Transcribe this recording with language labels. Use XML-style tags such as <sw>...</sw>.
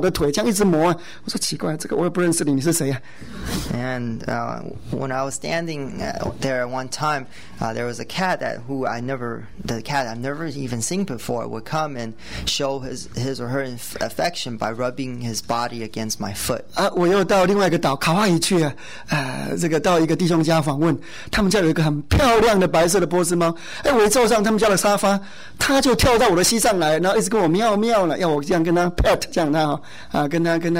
<zh>我到毛会去啊，站在一个同龄的那个，就是跟一个同龄去访问呢、啊。那个猫我都不认识，还竟然会走到我的脚来，跟我用它的身体摸我的腿，这样一直摸。我说奇怪，这个我也不认识你，你是谁呀？</zh> <en>And when I was standing there one time, there was a cat that I've never even seen before would come and show his or her affection by rubbing his body against my foot.</en> <zh>我又到另外一个岛卡哇伊去啊，这个到一个弟兄家访问，他们家有一个很漂亮的白色的波斯猫。哎，我一坐上他们家的沙发，它就跳到我的膝上来，然后一直跟我喵喵了，要我这样跟它 pet 这样它哈，跟它。</zh>